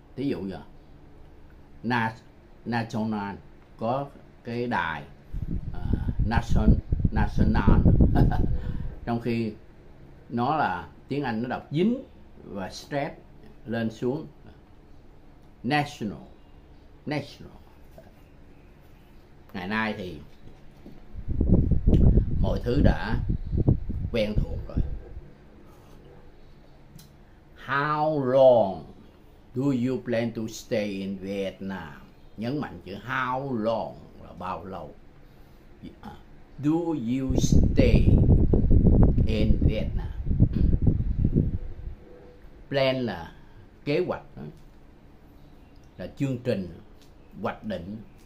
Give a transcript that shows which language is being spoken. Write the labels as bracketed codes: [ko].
[vi] Thí dụ giờ national có cái đài national trong khi nó là tiếng Anh, nó đọc dính và stress lên xuống national. Ngày nay thì mọi thứ đã quen thuộc rồi. [en] How long do you plan to stay in Vietnam? [vi] Nhấn mạnh chữ [en] how long [vi] là bao lâu. [en] Do you stay in Vietnam? [vi] Plan là kế hoạch, là chương trình, hoạch định.